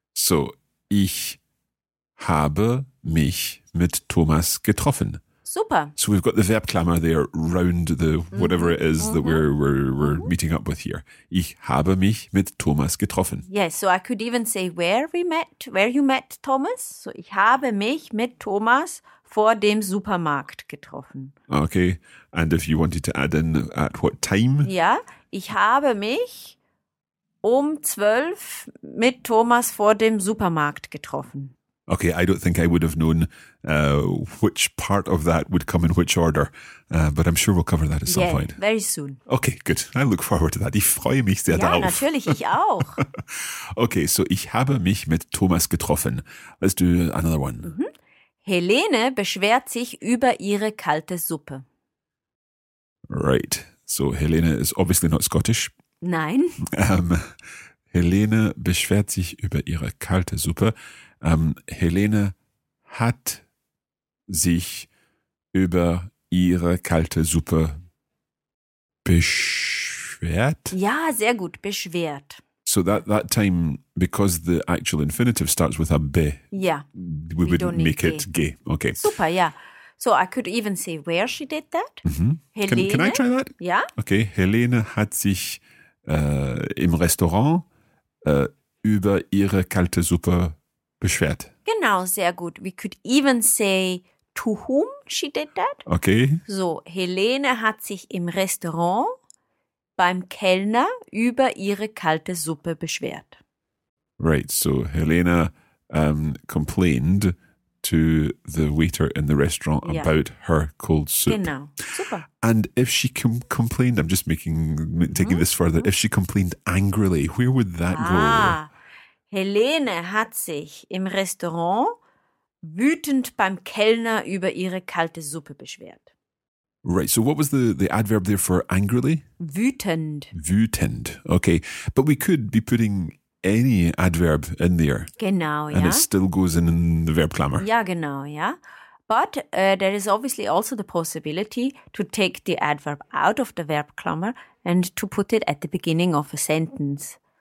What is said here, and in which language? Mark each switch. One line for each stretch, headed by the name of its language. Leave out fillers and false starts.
German: So, ich habe mich mit Thomas getroffen. Super.
English: So we've got the verb klammer there round the whatever it is that we're meeting up with here.
German: Ich habe mich mit Thomas getroffen.
English: Yes, so I could even say where you met Thomas.
German: So ich habe mich mit Thomas vor dem Supermarkt getroffen.
English: Okay, and if you wanted to add in at what time?
German: Yeah, ich habe mich um 12 mit Thomas vor dem Supermarkt getroffen.
English: Okay, I don't think I would have known which part of that would come in which order, but I'm sure we'll cover that at some point. Yeah, very soon. Okay, good. I look forward to that.
German: Ich freue mich sehr darauf. Ja, natürlich, ich auch. Okay, so ich habe mich mit Thomas getroffen.
English: Let's do another one.
German: Mm-hmm. Helene beschwert sich über ihre kalte Suppe.
English: Right, so Helene is obviously not Scottish.
German: Nein. Helene beschwert sich über ihre kalte Suppe. Helene hat sich über ihre kalte Suppe beschwert. Ja, sehr gut, beschwert.
English: So that time, because the actual infinitive starts with a be, we would make it ge. Okay. Super, yeah. So I could even say where she did that. Mm-hmm.
German: Helene.
English: Can I try that? Yeah.
German: Okay, Helene hat sich im Restaurant über ihre kalte Suppe beschwert. Genau, sehr gut.
English: We could even say to whom she did that. Okay.
German: So, Helene hat sich im Restaurant beim Kellner über ihre kalte Suppe beschwert.
English: Right, so Helene complained to the waiter in the restaurant about her cold soup.
German: Genau, super.
English: And if she complained, I'm just taking this further, if she complained angrily, where would that go?
German: Helene hat sich im Restaurant wütend beim Kellner über ihre kalte Suppe beschwert.
English: Right, so what was the adverb there for angrily?
German: Wütend.
English: Wütend, okay. But we could be putting any adverb in there.
German: Genau,
English: and it still goes in the verb klammer.
German: Ja, genau, ja.
English: But there is obviously also the possibility to take the adverb out of the verb klammer and to put it at the beginning of a sentence.